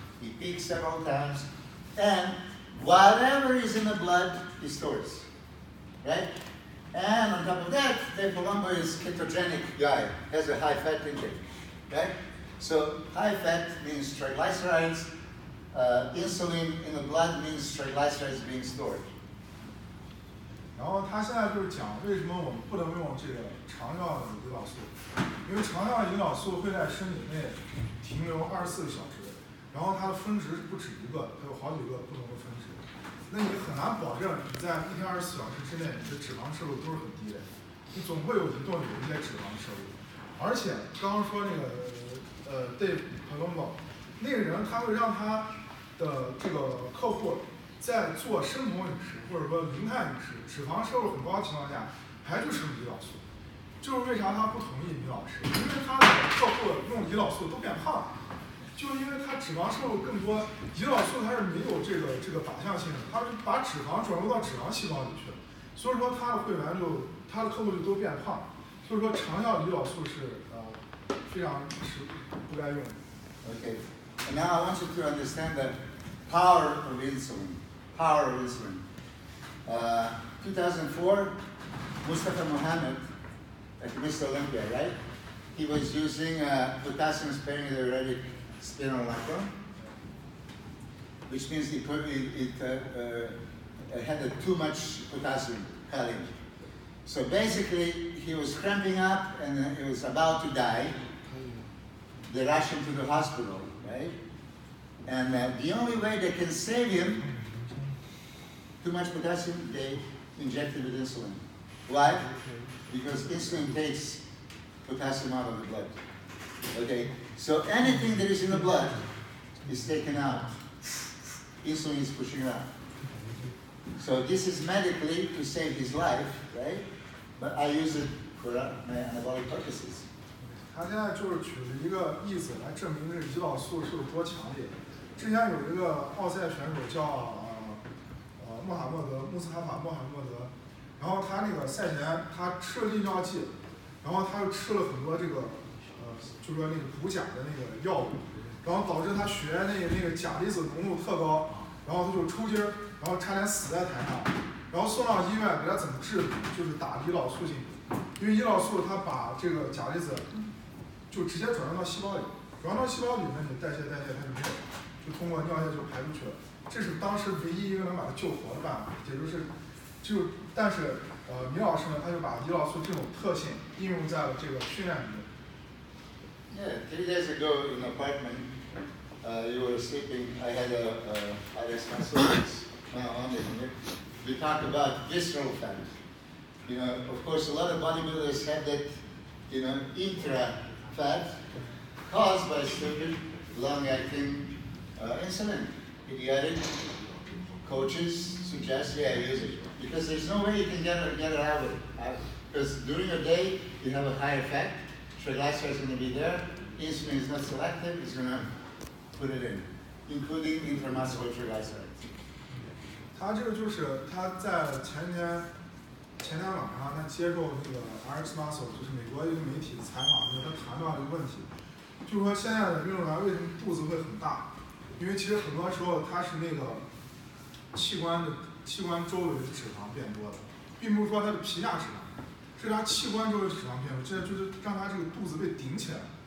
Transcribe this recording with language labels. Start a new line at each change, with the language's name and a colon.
English: It peaks several times, and whatever is in the blood, it stores, right? And on top of that, Dave Palumbo is ketogenic guy, has a high fat intake, right? So high fat means triglycerides. Insulin in the blood means triglycerides being stored.
Chinese: 然后他现在就是讲为什么我们不能用这个长效的胰岛素，因为长效胰岛素会在身体内停留24小时，然后它的峰值不止一个，它有好几个不同的峰值，那你很难保证你在一天24小时之内你的脂肪摄入都是很低的，你总会有一段有一些脂肪摄入，而且刚刚说那个对彭东宝那个人，他会让他的这个客户在做生酮饮食或者说零碳饮食脂肪摄入很高的情况下还是摄入胰岛素，就是为啥他不同意米老师，因为他的客户用胰岛素都变胖了，就因为他脂肪摄入更多，胰岛素它是没有这个靶向性的，它是把脂肪转入到脂肪细胞里去了，所以说他的会员就他的客户就都变胖，所以说长效胰岛素是
English: Okay. And now I want you to understand the power of insulin. Power of insulin. 2004, Mustafa Mohammed, like Mr. Olympia, right? He was using potassium sparing diuretic spironolactone, which means he had a too much potassium challenge. So basically, he was cramping up and he was about to die. They rush him to the hospital, right? And the only way they can save him, too much potassium, they inject him with insulin. Why? Because insulin takes potassium out of the blood. Okay? So anything that is in the blood is taken out. Insulin is pushing out. So this is medically to save his life, right? But I use it for my anabolic purposes.
Chinese: 他现在就是举了一个例子来证明这个胰岛素是有多强烈。之前有一个奥赛选手叫穆斯塔法穆罕默德，然后他那个赛前他吃了利尿剂，然后他又吃了很多这个就是说那个补钾的那个药物，然后导致他血液那个钾离子浓度特高，然后他就抽筋，然后差点死在台上，然后送到医院给他怎么治理，就是打胰岛素进去，因为胰岛素它把这个钾离子就直接转入到细胞里，转入到细胞里面，你代谢它就没有，就通过尿液就排出去了。这是当时唯一一个能把它救活的办法，也就是，但是米老师呢，他就把胰岛素这种特性应用在了这个训练里面。
English: Yeah, 3 days ago in the apartment, you were sleeping. I had I just my students on it. We talked about visceral fat. You know, of course, a lot of bodybuilders have that, you know, intra fat caused by stupid long-acting insulin. Idiotic coaches suggest, yeah, use it. Because there's no way you can get it out of it. Because during your day, you have a high effect. Triglycerides is going to be there. Insulin is not selective. It's going to put it in, including intramuscular triglycerides.
Chinese: 他这个就是他在前天前天晚上他接受这个 RX Muscle， 就是美国一个媒体的采访，他谈到一个问题，就是说现在的运动员为什么肚子会很大？因为其实很多时候他是那个器官周围的脂肪变多的，并不是说他的皮下脂肪，是他器官周围脂肪变多，这就是让他这个肚子被顶起来。